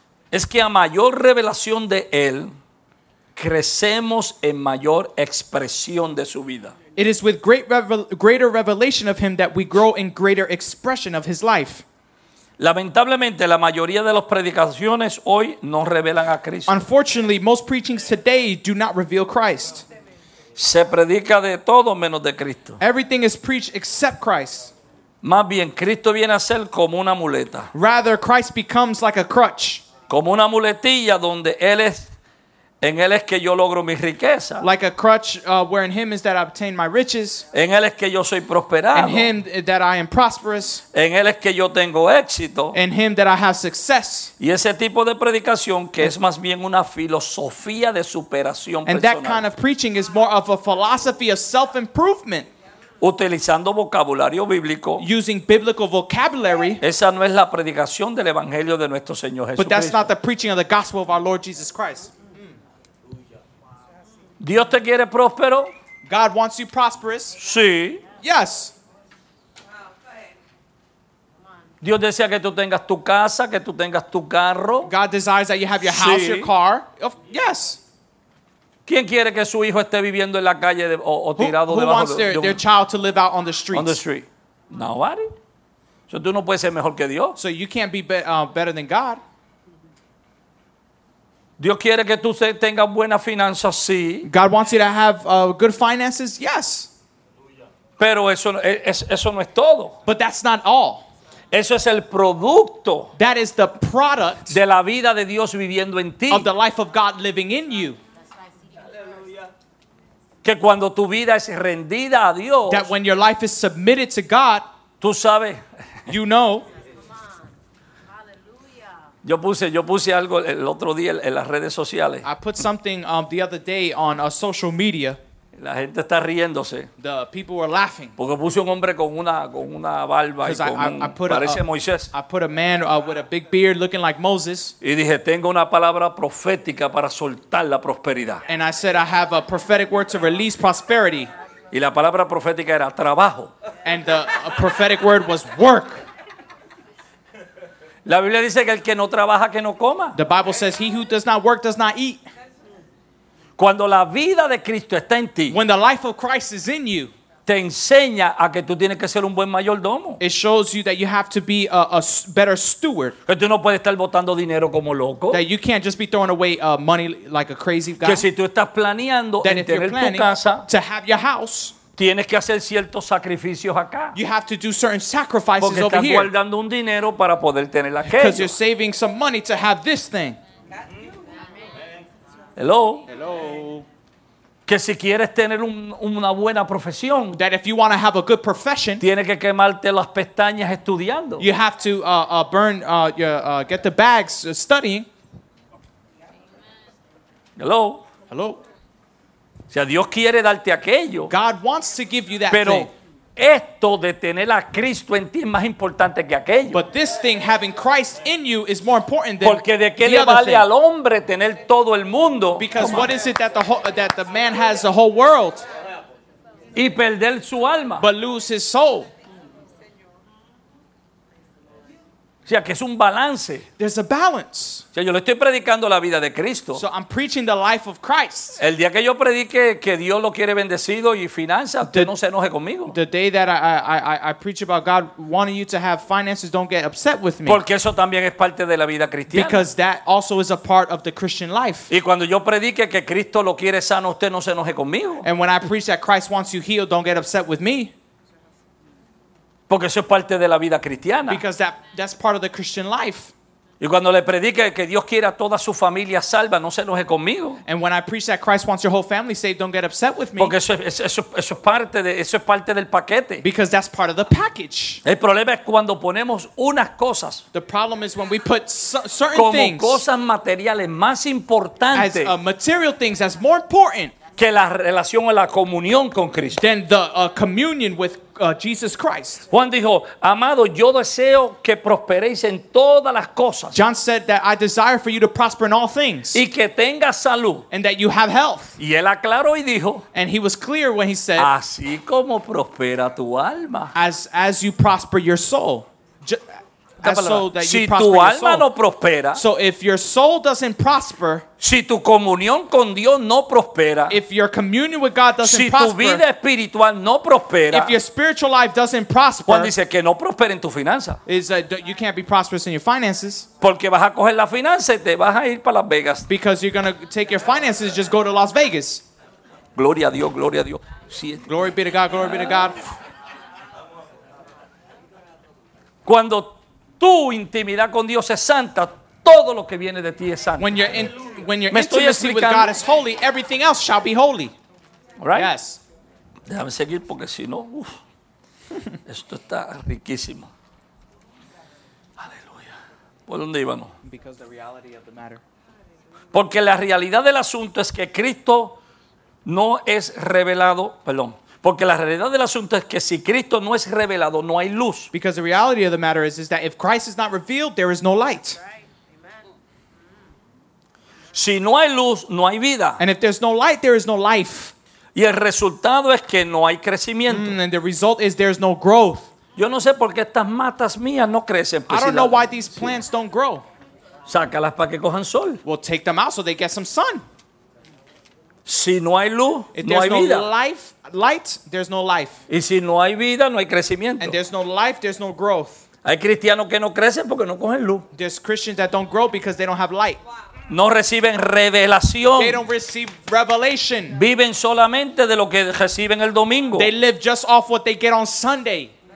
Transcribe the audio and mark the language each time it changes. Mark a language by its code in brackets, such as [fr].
[es] Es que a mayor revelación de Él, crecemos en mayor expresión de su vida. [en] It is with greater revelation of him that we grow in greater expression of his life. [es] Lamentablemente, la mayoría de las predicaciones hoy no revelan a Cristo. [en] Unfortunately, most preachings today do not reveal Christ. [es] Se predica de todo menos de Cristo. [en] Everything is preached except Christ. [es] Más bien, Cristo viene a ser como una muleta. [en] Rather, Christ becomes like a crutch. [es] Como una muletilla donde él es. En él es que yo logro mi riqueza. [en] Like a crutch, where in him is that I obtain my riches. [es] En él es que yo soy prosperado. [en] In him that I am prosperous. [es] En él es que yo tengo éxito. [en] In him that I have success. [es] Y ese tipo de predicación que es más bien una filosofía de superación personal. [en] And that kind of preaching is more of a philosophy of self-improvement. [es] Utilizando vocabulario bíblico. [en] Using biblical vocabulary. [es] Esa no es la predicación del evangelio de nuestro Señor Jesucristo. [en] But that's not the preaching of the gospel of our Lord Jesus Christ. [es] Dios te quiere próspero. [en] God wants you prosperous. [es] Sí. [en] Yes. [es] Dios desea que tú tengas tu casa, que tú tengas tu carro. [en] God desires that you have your house, [es] sí. [en] Your car. Yes. [es] ¿Quién quiere que su hijo esté viviendo en la calle de, o tirado [en] who [es] debajo [en] wants their, [es] de [en] un, their child to live out on the streets? On the street. Nobody. [es] So tú no puedes ser mejor que Dios. [en] So you can't be better than God. [es] Dios quiere que tú tengas buenas finanzas, sí. [en] God wants you to have good finances, yes. [es] Pero eso no es todo. [en] But that's not all. [es] Eso es el producto. [en] That is the product [es] de la vida de Dios viviendo en ti. [en] Of the life of God living in you. [es] Que cuando tu vida es rendida a Dios. [en] That when your life is submitted to God. [es] Tú sabes. [en] You know. [es] Yo puse algo el otro día en las redes sociales. [en] I put something the other day on a social media. [es] La gente está riéndose. [en] The people were laughing. [es] Porque puse un hombre con una barba y parece Moisés. [en] I put a man with a big beard looking like Moses. [es] Y dije, tengo una palabra profética para soltar la prosperidad. [en] And I said I have a prophetic word to release prosperity. [es] Y la palabra profética era trabajo. [en] And the prophetic word was work. [es] La Biblia dice que el que no trabaja que no coma. [en] The Bible says he who does not work does not eat. [es] Cuando la vida de Cristo está en ti, [en] when the life of Christ is in you, [es] te enseña a que tú tienes que ser un buen mayordomo. [en] It shows you that you have to be a better steward. [es] Que tú no puedes estar botando dinero como loco. [en] That you can't just be throwing away money like a crazy guy. [es] Que si tú estás planeando [en] that [es] en tener tu casa, [en] to have your house, [es] tienes que hacer ciertos sacrificios acá. [en] You have to do certain sacrifices over here. [es] Porque estás guardando un dinero para poder tener aquello. [en] Because you're saving some money to have this thing. Hello. Hello. [es] Que si quieres tener una buena profesión, [en] that if you want to have a good profession, [es] tienes que quemarte las pestañas estudiando. [en] You have to get the bags studying. Hello. Hello. [es] O sea, Dios quiere darte aquello. [en] God wants to give you that [es] pero [en] thing. [es] Esto de tener a Cristo en ti es más importante que aquello. [en] But this thing having Christ in you is more important than [es] porque de qué le vale [en] thing [es] al hombre tener todo el mundo? [en] Because what is it that the man has the whole world? [es] Y perder su alma. [en] But lose his soul. [es] O sea, que es un balance. [en] There's a balance. [es] O sea, yo le estoy predicando la vida de Cristo. [en] So I'm preaching the life of Christ. [es] El día que yo predique que Dios lo quiere bendecido y finanzas, usted no se enoje conmigo. [en] The day that I preach about God wanting you to have finances, don't get upset with me. [es] Porque eso también es parte de la vida cristiana. [en] Because that also is a part of the Christian life. [es] Y cuando yo predique que Cristo lo quiere sano, usted no se enoje conmigo. [en] And when I preach that Christ wants you healed, don't get upset with me. [es] Porque eso es parte de la vida cristiana. [en] Because that's part of the Christian life. [es] Y cuando le predique que Dios quiere a toda su familia salva, no se enoje conmigo. [en] And when I preach that Christ wants your whole family saved, don't get upset with me. [es] Porque eso es parte del paquete. [en] Because that's part of the package. [es] El problema es cuando ponemos unas cosas. [en] The problem is when we put certain things. [es] Como cosas materiales más importantes. [en] As material things as more important. [es] Que la relación o la comunión con Cristo. [en] Then the communion with Jesus Christ. [es] Juan dijo, amado, yo deseo que prosperéis en todas las cosas. [en] John said that I desire for you to prosper in all things. [es] Y que tengas salud. [en] And that you have health. [es] Y él aclaró y dijo. [en] And he was clear when he said. [es] Así como prospera tu alma. [en] As you prosper your soul. So that [es] si [en] you [es] tu alma no prospera, [en] so if your soul doesn't prosper, [es] si tu comunión con Dios no prospera, [en] if your communion with God doesn't [es] si [en] prosper, [es] tu vida espiritual no prospera, [en] if your spiritual life doesn't prosper, [es] Juan dice que no prospera en tu finanza, [en] is that you can't be prosperous in your finances, [es] porque vas a coger la finanza y te vas a ir para Las Vegas, [en] because you're going to take your finances and just go to Las Vegas. [es] Gloria a Dios, gloria a Dios. [en] Sí. Glory be to God, glory be to God. [es] Cuando tu intimidad con Dios es santa, todo lo que viene de ti es santo. [en] When your intimacy with God is holy, everything else shall be holy. All right? Yes. [es] Déjame seguir porque si no, esto está riquísimo. Aleluya. ¿Por dónde íbamos? [en] Because the reality of the matter. [es] Porque la realidad del asunto es que Cristo no es revelado, perdón. Porque la realidad del asunto es que si Cristo no es revelado, no hay luz. [en] Because the reality of the matter is that if Christ is not revealed, there is no light. [es] Si no hay luz, no hay vida. [en] And if there's no light, there is no life. [es] Y el resultado es que no hay crecimiento. [en] And the result is there's no growth. [es] Yo no sé por qué estas matas mías no crecen. [en] I don't know why these plants don't grow. [es] Sácalas para que cojan sol. [en] Well, take them out so they get some sun. [es] Si no hay luz, [en] if [es] no hay [en] no [es] vida. [en] Life, light, there's no life. [es] Y si no hay vida, no hay crecimiento. [en] And there's no life, there's no growth. [es] Hay cristianos que no crecen porque no cogen luz. [en] There's Christians that don't grow because they don't have light. Wow. [es] No reciben revelación. [en] They don't receive revelation. [es] Viven solamente de lo que reciben el domingo. [en] They live just off what they get on Sunday.